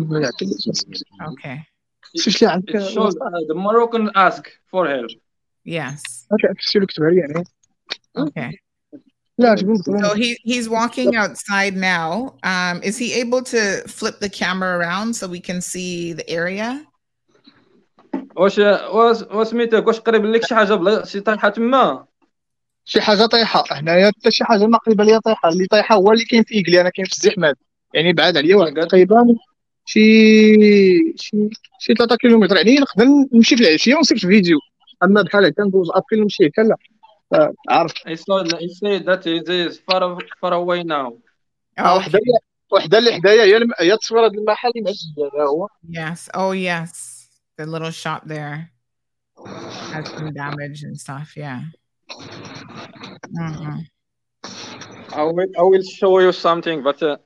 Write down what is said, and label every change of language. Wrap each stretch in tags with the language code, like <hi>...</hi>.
<en>The Moroccan ask for help. Yes. Okay. So he's walking outside now. Is he able to flip the camera around so we can see the area?</en> <ar>واش سميتك واش قريب لك شي حاجه بلا شي طيحه تما شي حاجه طيحه هنايا حتى شي حاجه ما قريبه ليا طيحه اللي طيحه هو اللي كاين في اقلي انا كاين في الزحمات يعني بعاد عليا تقريبا شي 3 كيلومتر يعني نقدر نمشي في العشيه ونصيفط فيديو اما بحال هكا ندوز ابري نمشي هكا لا عرفت.</ar> <en>He said that it is far away now. Yes. Oh, yes. The little shop there has some damage and stuff. Yeah. Mm-hmm. I will show you something, but</en>